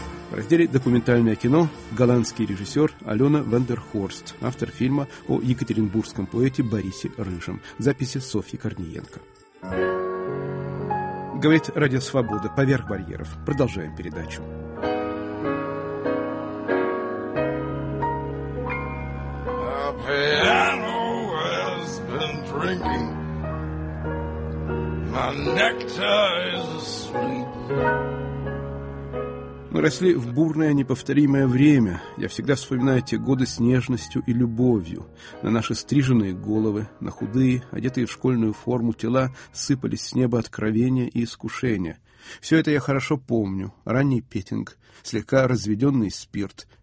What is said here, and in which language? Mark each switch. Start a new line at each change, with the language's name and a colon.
Russian: В разделе «Документальное кино» голландский режиссер Алена Вандерхорст, автор фильма о екатеринбургском поэте Борисе Рыжем. Записи Софьи Корниенко. Говорит «Радио Свобода. Поверх барьеров». Продолжаем передачу.
English: The piano has been drinking. My nectar is sweet.
Russian: Мы росли в бурное, неповторимое время. Я всегда вспоминаю те годы с нежностью и любовью. На наши стриженные головы, на худые, одетые в школьную форму тела, сыпались с неба откровения и искушения. Все это я хорошо помню. Ранний петинг, слегка разведенный спирт,